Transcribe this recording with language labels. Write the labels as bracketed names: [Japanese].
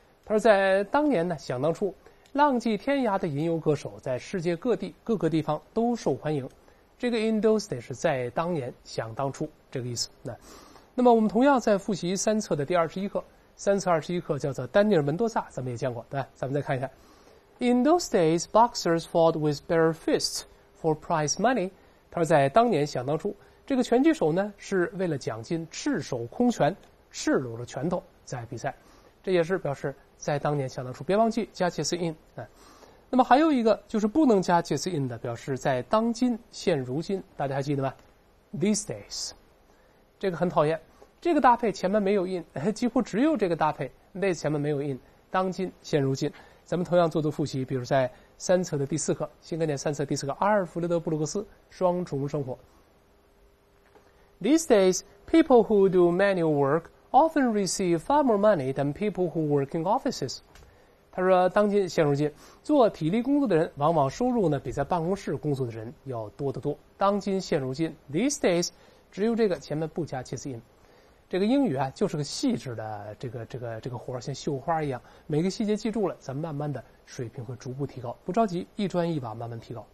[Chinese] 他说，在当年呢，想当初。浪迹天涯的吟游歌手在世界各地各个地方都受欢迎，这个 [English] in those days [Chinese] 是在当年、想当初这个意思。那么我们同样再复习三册的第21课，三册21课叫做丹尼尔·门多萨，咱们也见过，对吧？咱们再看一下， [English] In those days, boxers fought with bare fists for prize money。 [Chinese] 他说，在当年、想当初，这个拳击手呢是为了奖金赤手空拳、赤裸着拳头在比赛，这也是表示。在当年想当初，别忘记加介词 in 啊。那么还有一个就是不能加介词 in 的，表示在当今、现如今，大家还记得吗？ [English] These days， [Chinese] 这个很讨厌。这个搭配前面没有 in，几乎只有这个搭配 days 前面没有 in。当今、现如今，咱们同样做做复习，比如在三册的第四课，新概念三册第四课，阿尔弗雷德·布鲁克斯《双重生活》。 [English] These days, people who do manual work。 Often receive far more money than people who work in offices。 [Chinese] 他说，当今现如今，做体力工作的人往往收入呢比在办公室工作的人要多得多。当今现如今 ， [English] these days， [Chinese] 只有这个前面不加介词 in。这个英语啊，就是个细致的这个活儿，像绣花一样，每个细节记住了，咱们慢慢的水平会逐步提高，不着急，一砖一瓦慢慢提高。